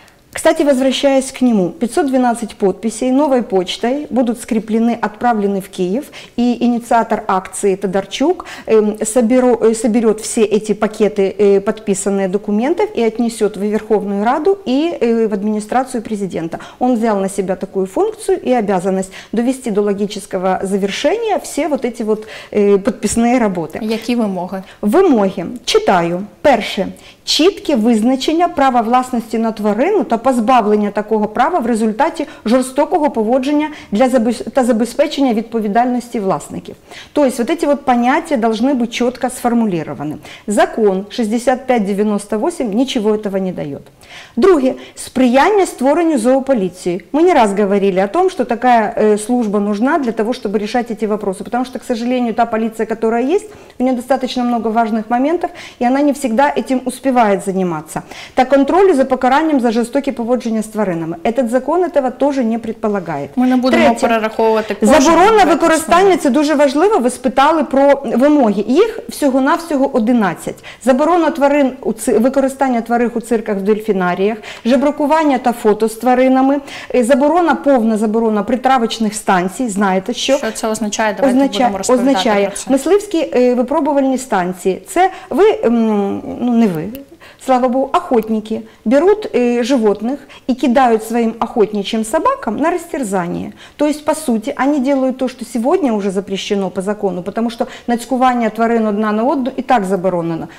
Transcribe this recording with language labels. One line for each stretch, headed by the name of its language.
Russian: Кстати, возвращаясь к нему, 512 подписей новой почтой будут скреплены, отправлены в Киев, и инициатор акции Тодарчук соберет все эти пакеты подписанных документов и отнесет в Верховную Раду и в администрацию президента. Он взял на себя такую функцию и обязанность довести до логического завершения все вот эти вот подписные работы.
Ukrainian: Які вимоги? Вимоги. Читаю. Перше. Чітке визначення права власності на тварину та позбавлення такого права в результаті жорстокого поводження та забезпечення відповідальності власників. Тобто, ось ці от поняття повинні бути чітко сформулювані. Закон 6598 нічого цього не дає. Друге, сприяння створенню зоополіції. Ми не раз говорили про те, що така служба потрібна для того, щоб вирішити ці питання. Тому що,
Russian: к сожалению,
Ukrainian: та поліція, яка є, у неї достатньо багато важливих моментів, і вона не завжди цим успіває
Russian: заниматься.
Ukrainian: Та контролю за покаранням за жорстоке поводження з тваринами.
Russian: Этот закон этого тоже не предполагает.
Ukrainian: Ми не будемо перераховувати кошти. Заборона використання, це дуже важливо, ви спитали про вимоги. Їх всього-навсього 11. Заборона тварин, використання тварин у цирках, в дельфінаріях, жебракування та фото з тваринами, заборона, повна заборона притравочних станцій, знаєте, що? Що це означає? Давайте будемо розповідати. Означає. Мисливські випробувальні станції. Це ви, ну не ви,
Russian: слава Богу, охотники берут животных и кидают своим охотничьим собакам на растерзание. То есть, по сути, они делают то, что сегодня уже запрещено по закону, потому что нацькувание
Ukrainian: тварин одна на одну
Russian: и так
Ukrainian: заборонено.